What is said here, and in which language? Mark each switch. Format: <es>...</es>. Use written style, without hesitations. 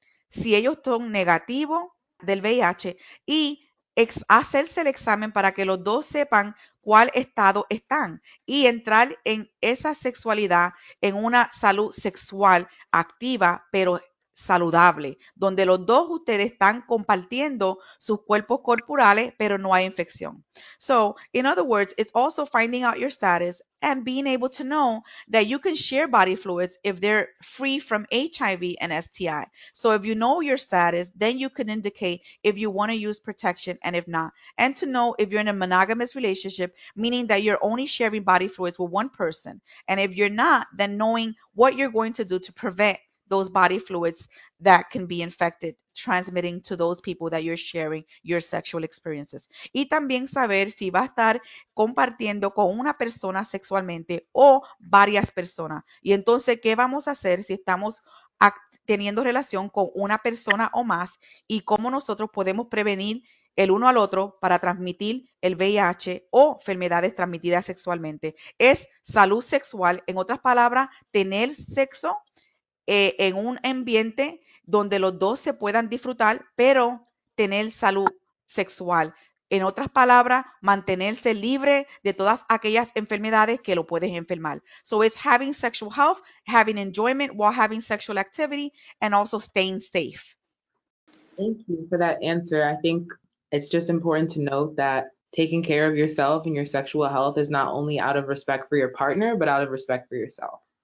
<es>Si ellos son negativos del VIH y hacerse el examen para que los dos sepan cuál estado están y entrar en esa sexualidad, en una salud sexual activa, pero saludable, donde los dos ustedes están compartiendo sus cuerpos corporales, pero no hay infección.</es> <en>So, in other words, it's also finding out your status and being able to know that you can share body fluids if they're free from HIV and STI. So, if you know your status, then you can indicate if you want to use protection and if not. And to know if you're in a monogamous relationship, meaning that you're only sharing body fluids with one person. And if you're not, then knowing what you're going to do to prevent those body fluids that can be infected, transmitting to those people that you're sharing your sexual experiences.</en> <es>Y también saber si va a estar compartiendo con una persona sexualmente o varias personas. Y entonces, ¿qué vamos a hacer si estamos teniendo relación con una persona o más y cómo nosotros podemos prevenir el uno al otro para transmitir el VIH o enfermedades transmitidas sexualmente. Es salud sexual, en otras palabras, tener sexo en un ambiente donde los dos se puedan disfrutar, pero tener salud sexual. En otras palabras, mantenerse libre de todas aquellas enfermedades que lo puedes enfermar.</es> <en>So it's having sexual health, having enjoyment while having sexual activity, and also staying safe. Thank you for that answer. I think it's just important to note that taking care of yourself and your sexual health is not only out of respect for your partner, but out of respect for yourself.</en>